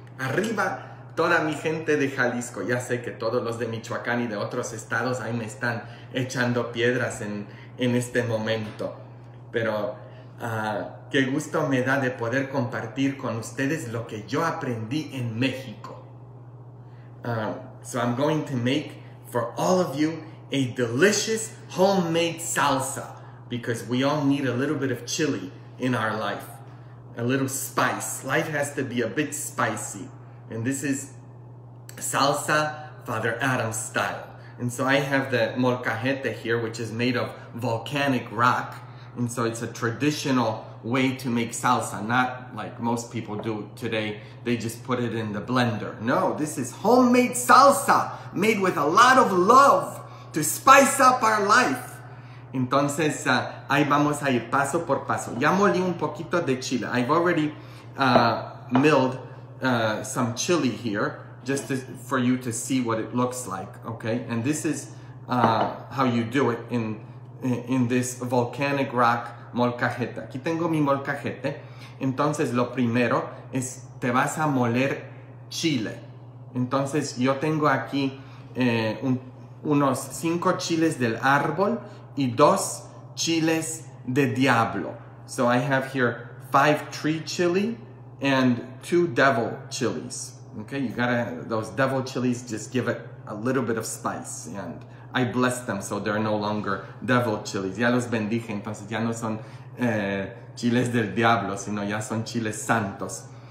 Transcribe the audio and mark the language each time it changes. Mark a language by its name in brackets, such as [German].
[Spanish] Arriba toda mi gente de Jalisco. Ya sé que todos los de Michoacán y de otros estados ahí me están echando piedras en este momento. Pero qué gusto me da de poder compartir con ustedes lo que yo aprendí en México. [English] So I'm going to make for all of you a delicious homemade salsa, because we all need a little bit of chili in our life. A little spice. Life has to be a bit spicy. And this is salsa Father Adam style. And so I have the molcajete here, which is made of volcanic rock. And so it's a traditional way to make salsa, not like most people do today. They just put it in the blender. No, this is homemade salsa made with a lot of love to spice up our life. [Spanish] Entonces, ahí vamos a ir paso por paso. Ya molí un poquito de chile. [English] I've already milled some chili here, just to, for you to see what it looks like, okay? And this is how you do it in this volcanic rock molcajete. [Spanish] Aquí tengo mi molcajete. Entonces, lo primero es te vas a moler chile. Entonces, yo tengo aquí unos 5 chiles del árbol y 2 chiles de diablo. [English] So I have here 5 tree chili and 2 devil chilies. Okay, you gotta, those devil chilies just give it a little bit of spice. And I bless them, so they're no longer devil chilies. [Spanish] Ya los bendije, entonces ya no son chiles del diablo, sino ya son chiles santos.